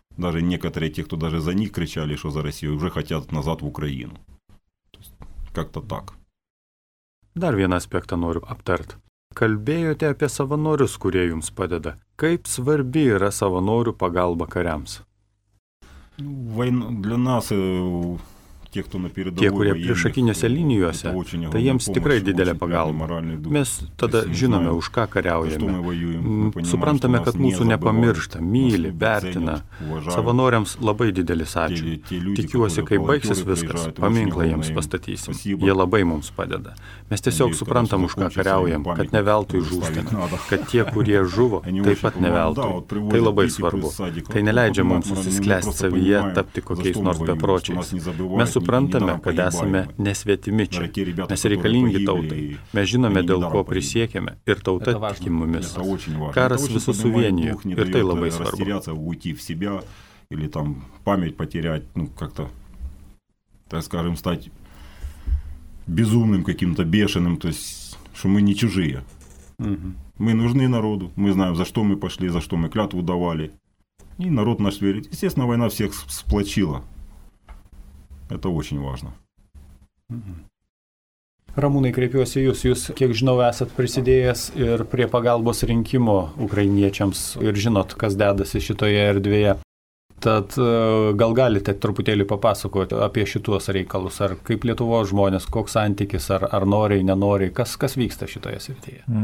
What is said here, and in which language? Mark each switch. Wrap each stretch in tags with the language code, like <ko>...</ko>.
<ru>Даже некоторые, те, кто даже за них кричали, что за Россию, уже хотят назад в Украину. То есть, как-то так.</ru> <lt>Dar vieną aspektą noriu aptart. Kalbėjote apie savanorius, kurie jums padeda. Kaip svarbi yra savanorių pagalba kariams?</lt> <ru>Война для нас...</ru> <lt>Tie, kurie priešakinėse linijose, tai jiems tikrai didelė pagalba. Mes tada žinome, už ką kariaujame. Suprantame, kad mūsų nepamiršta, myli, vertina. Savanoriams labai didelis ačiū. Tikiuosi, kai baigsis viskas, paminklą jiems pastatysim. Jie labai mums padeda. Mes tiesiog suprantam, už ką kariaujam, kad neveltui žūstame. Kad tie, kurie žuvo, taip pat neveltui. Tai labai svarbu. Tai neleidžia mums susisklesti savyje, tapti kokiais nors bepročiais. Mes suprantame, kad esame nesvetimi čia, mes reikalingi tautai, mes žinome, dėl ko prisiekėme ir tauta tiki mumis. Karas visus suvienijo ir tai labai svarbu.</lt> <ru>Уйти в себя или там память потерять, ну как-то, так скажем, стать безумным каким-то, бешеным, то есть, что мы не чужие. Мы нужны народу, мы знаем, за что мы пошли, за что мы клятву давали, и народ наш верит. Естественно, война всех сплочила. Это очень важно.</ru> <lt>Ramūnai, kreipiuosi į jūs. Jūs, kiek žinau, esat prisidėjęs ir prie pagalbos rinkimo ukrainiečiams ir žinot, kas dedasi šitoje erdvėje. Tad gal galite truputėlį papasakoti apie šituos reikalus, ar kaip Lietuvos žmonės, koks santykis, ar noriai, nenoriai, kas vyksta šitoje srityje?</lt>